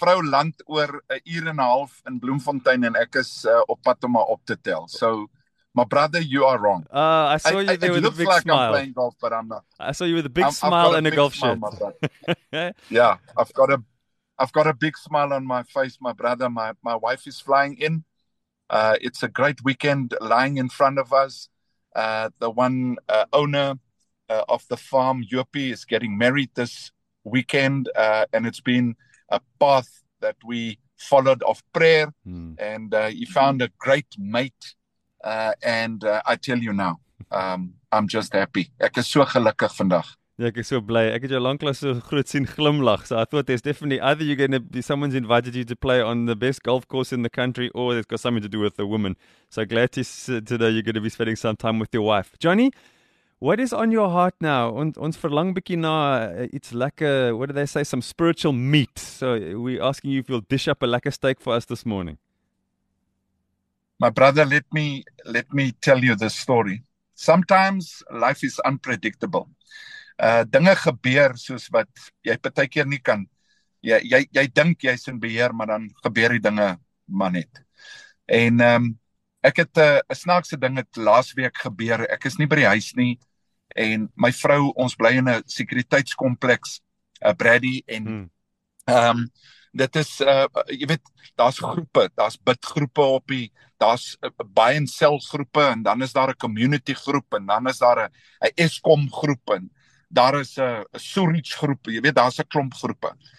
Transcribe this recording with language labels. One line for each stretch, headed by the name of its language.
Afrikaans: Vrou land oor 1 uur en 'n half in Bloemfontein en ek is op pad om haar op te tel.
English: So... My brother, you are wrong. I saw you there with a big smile. It looks like I'm playing golf, but I'm not. I saw you with a big smile and a golf shirt. Yeah, I've got a big smile on my face, my brother. My wife is flying in. It's a great weekend lying in front of us. The one owner of the farm, Yopi, is getting married this weekend. And it's been a path that we followed of prayer. Mm. And he found a great mate. I tell you now, I'm just happy.
Afrikaans: Ek is so gelukkig vandag. Ja, ek is so bly. Ek het jou lanklaas so groot sien glimlag. So I thought there's definitely either you're going to be someone's invited you to play on the best golf course in the country or it's got something to do with a woman. So glad to know you're going to be spending some time with your wife. Johnny, what is on your heart now? Ons verlang bietjie na iets lekker,
English: what do they say, some spiritual meat. So we're asking you if you'll dish up a lekker steak for us this morning. My brother, let me tell you this story. Sometimes life is unpredictable.
Afrikaans: Dinge gebeur soos wat jy partykeer nie kan. Jy dink jy's in beheer, maar dan gebeur die dinge maar net. En ek het 'n snaakse ding het laas week gebeur. Ek is nie by die huis nie en my vrou, ons bly in 'n sekuriteitskompleks, Brady en dit is, jy weet, daar's groepe, daar's bidgroepe op die, daar's
English: buy and sell
Afrikaans: groepe, en dan is daar 'n community groep, en dan is daar 'n Eskom groep, en daar is 'n storage groep, jy weet, daar's 'n klomp groepe.